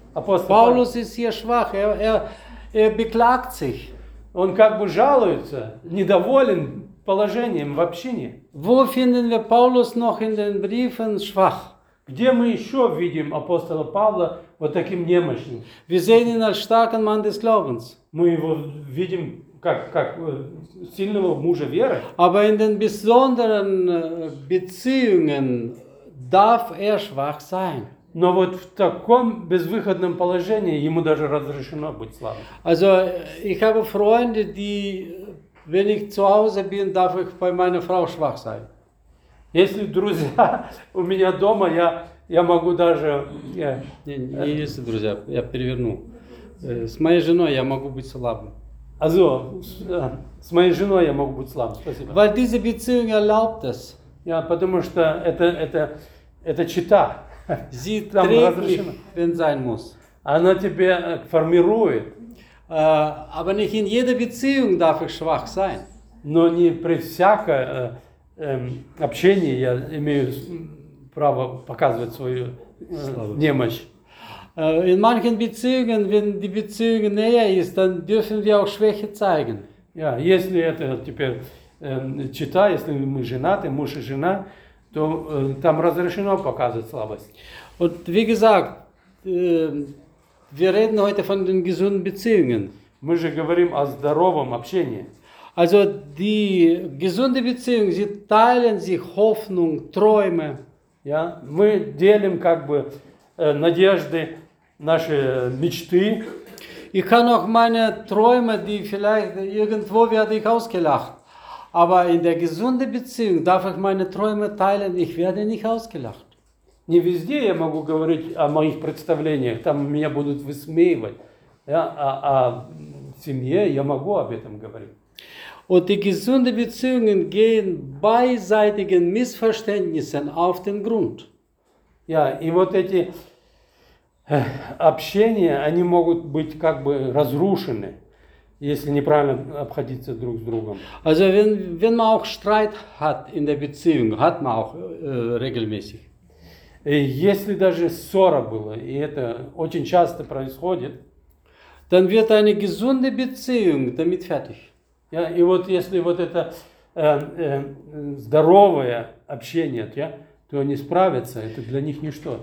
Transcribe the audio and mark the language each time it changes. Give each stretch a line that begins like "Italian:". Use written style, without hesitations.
German: Апостол Павел ist hier schwach, er beklagt sich.
Russian: Он как бы жалуется, недоволен положением в общине.
German: Wo finden wir Paulus noch in den Briefen schwach?
Russian: Где мы еще видим апостола Павла вот таким немощным?
German: Wir sehen ihn als starken Mann des Glaubens.
Russian: Мы его видим как сильного мужа веры.
German: Aber in den besonderen Beziehungen darf er schwach sein.
Russian: Но вот в таком безвыходном положении ему даже разрешено быть слабым.
German: Also, ich habe Freunde, die, wenn ich zu Hause bin, darf ich bei meiner Frau schwach sein.
Russian: Если друзья у меня дома, я, Я могу даже... Не, друзья, я переверну. С моей женой я могу быть слабым.
German: Also,
Russian: с моей женой я могу быть слабым, спасибо.
German: Weil diese Beziehung erlaubt es.
Russian: Ja, потому что это чита.
German: Sie trägt mich, wenn sein muss.
Russian: Она тебя формирует.
German: Aber nicht in jeder Beziehung darf ich schwach sein.
Russian: Но не при всяком общении я имею право показывать свою немощь.
German: In manchen Beziehungen, wenn die Beziehung näher ist, dann dürfen wir auch Schwäche zeigen.
Russian: Ja, если это теперь чита, если мы женаты, муж и жена, то там разрешено показывать слабость.
German: Und wie gesagt, wir reden heute von den gesunden Beziehungen.
Russian: Мы же говорим о здоровом общении.
German: Also die gesunde Beziehung, sie teilen sich Hoffnung, Träume.
Russian: Ja, мы делим как бы надежды, наши мечты.
German: Ich kann auch meine Träume, die vielleicht irgendwo werde ich ausgelacht. Aber in der gesunden Beziehung darf ich meine Träume teilen, ich werde nicht ausgelacht.
Russian: Не везде я могу говорить о моих представлениях, там меня будут высмеивать. Ja, а в семье я могу об этом говорить.
German: Und die gesunden Beziehungen gehen beidseitigen Missverständnissen auf den Grund.
Russian: Ja, и вот эти общения, они могут быть как бы разрушены, если неправильно обходиться друг с другом.
German: Also, wenn man auch Streit hat in der Beziehung, hat man auch regelmäßig.
Russian: Если даже ссора была, и это очень часто происходит,
German: dann wird eine gesunde Beziehung damit fertig.
Russian: Ja, и вот если вот это здоровое общение, да? То они справятся, это для них ничто.